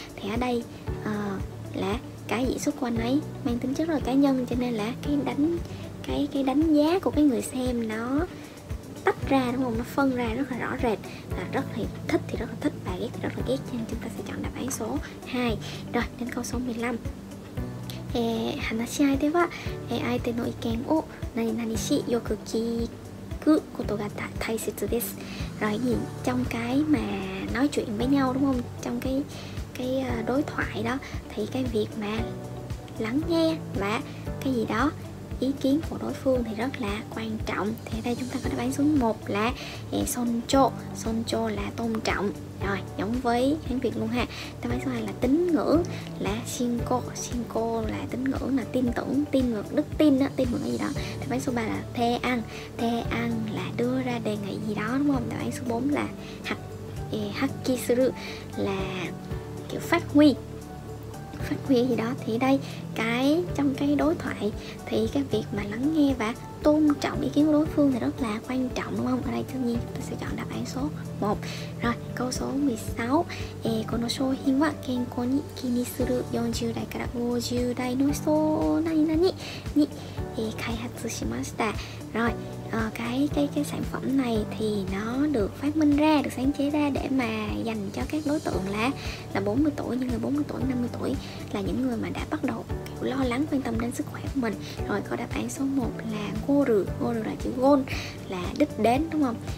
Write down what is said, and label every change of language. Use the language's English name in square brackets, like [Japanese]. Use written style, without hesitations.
[Vietnamese] Thì ở đây là cái gì xuất quan ấy mang tính chất rất là cá nhân, cho nên là cái đánh giá của cái người xem nó tách ra đúng không, nó phân ra rất là rõ rệt, là rất là thích thì rất là thích và ghét thì rất là ghét, cho nên chúng ta sẽ chọn đáp án số 2. Rồi đến câu số 15. [Japanese] 話し合いでは、相手の意見を何々しよく聞くことが大切です。 [Vietnamese] Rồi nhìn trong cái mà nói chuyện với nhau đúng không? Trong cái đối thoại đó thì cái việc mà lắng nghe và cái gì đó ý kiến của đối phương thì rất là quan trọng. Thì đây chúng ta có đáp án số 1 là soncho, soncho là tôn trọng. Rồi, giống với tiếng Việt luôn ha. Đáp án số 2 là tín ngưỡng, là shinko, shinko là tín ngưỡng, là tin tưởng, tin ngưỡng, đức tin đó, tin ngưỡng cái gì đó. Đáp án số 3 là thean là đưa ra đề nghị gì đó đúng không? Đáp án số 4 là hakisuru là kiểu phát huy gì đó. Thì đây, trong cái đối thoại thì cái việc mà lắng nghe và tôn trọng ý kiến của đối phương thì rất là quan trọng đúng không? Ở đây tất nhiên tôi sẽ chọn đáp án số 1. Rồi, câu số 16. [Japanese] この商品は健康に気にする40代から50代の人何々に開発しました。 [Vietnamese] Rồi, cái sản phẩm này thì nó được phát minh ra, được sáng chế ra để mà dành cho các đối tượng là 40 tuổi, những người 40 tuổi, 50 tuổi là những người mà đã bắt đầu kiểu lo lắng, quan tâm đến sức khỏe của mình. Rồi, có đáp án số 1 là Goru, Goru là chữ Gon, là đích đến đúng không?